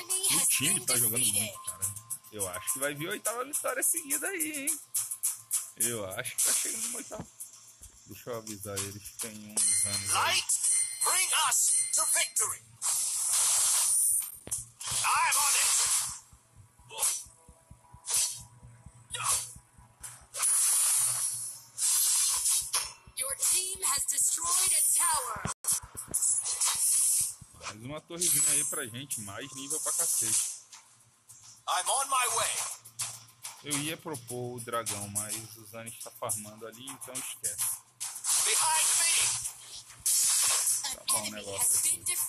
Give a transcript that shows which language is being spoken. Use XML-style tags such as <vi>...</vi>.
<pt>O time tá jogando muito, cara. Eu acho que vai vir a oitava vitória seguida aí, hein? Eu acho que tá chegando uma oitava. Deixa eu avisar eles que tem um Zane.</pt> <en>Light, bring us to victory! I'm on it! Your team has destroyed a tower!</en> <pt>Mais uma torrezinha aí pra gente, mais nível pra cacete.</pt> <en>I'm on my way.</en> <pt>Eu ia propor o dragão, mas o Zane está farmando ali, então esquece.</pt> <en>Behind me.</en> <pt>Tá bom o negócio aqui.</pt>